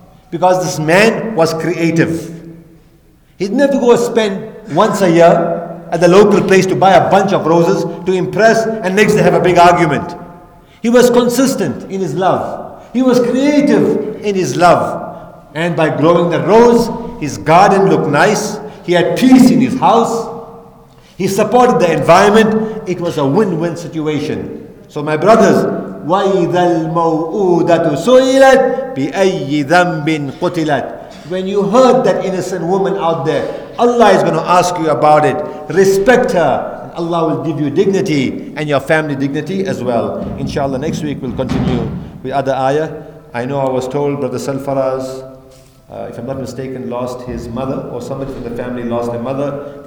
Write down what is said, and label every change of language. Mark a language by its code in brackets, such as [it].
[en] Because this man was creative. He'd never go spend once a year at the local place to buy a bunch of roses to impress and next day have a big argument. He was consistent in his love. He was creative in his love. And by growing the rose, his garden looked nice. He had peace in his house. He supported the environment. It was a win-win situation. So my brothers, [ar] وَإِذَا الْمَوْءُودَةُ سُئِلَتْ بِأَيِّ ذَنْبٍ قُتِلَتْ. [en] When you heard that innocent woman out there, Allah is going to ask you about it. Respect her. And Allah will give you dignity and your family dignity as well. Inshallah, next week we'll continue with other ayah. I know I was told Brother Salfaraz, if I'm not mistaken, lost his mother, or somebody from the family lost their mother.